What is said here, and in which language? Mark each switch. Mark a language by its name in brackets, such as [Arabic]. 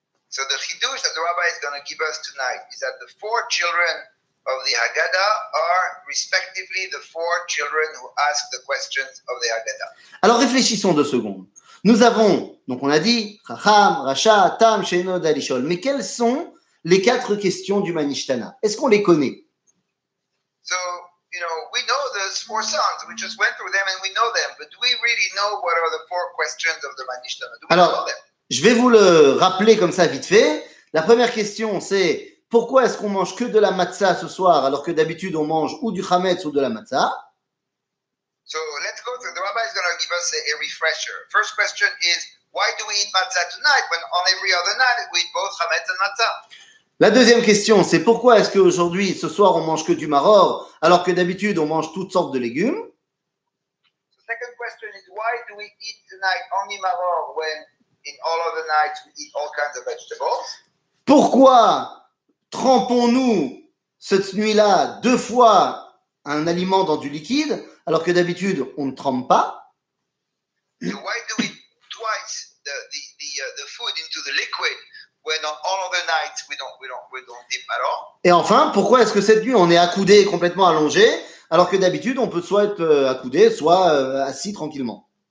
[English] So the chidouche that the rabbi is going to give us tonight is that the four children of the Haggadah are respectively the four children who ask the questions of the Haggadah. [French] Alors réfléchissons deux secondes. Nous avons, donc on a dit, Chacham, Racha, Tam, Sheino, Dalishol. Mais quelles sont les quatre questions du Manishtana? Est-ce qu'on les connaît? [English] So, you you know, we know those four songs. We just went through them and we know them. But do we really know what are the four questions of the Manishtama? Do we [French] Alors, [English] know them? [French] Je vais vous le rappeler comme ça vite fait. La première question, c'est pourquoi est-ce qu'on mange que de la matzah ce soir alors que d'habitude on mange ou du chametz ou de la matzah? [English] So let's go through. The rabbi is going to give us a refresher. First question is why do we eat matzah tonight when on every other night we eat both chametz and matzah? [French] La deuxième question, c'est pourquoi est-ce qu'aujourd'hui, ce soir, on mange que du maror alors que d'habitude on mange toutes sortes de légumes? [English] The second question is why do we eat tonight only maror when in all other nights we eat all kinds of vegetables? [French] Pourquoi trempons-nous cette nuit-là deux fois un aliment dans du liquide alors que d'habitude on ne trempe pas? [English] So why do we twice the food into the liquid when on all other nights we don't dip at all? [French] Et enfin, pourquoi est-ce que cette nuit on est accoudé complètement allongé alors que d'habitude on peut soit être accoudé soit assis tranquillement?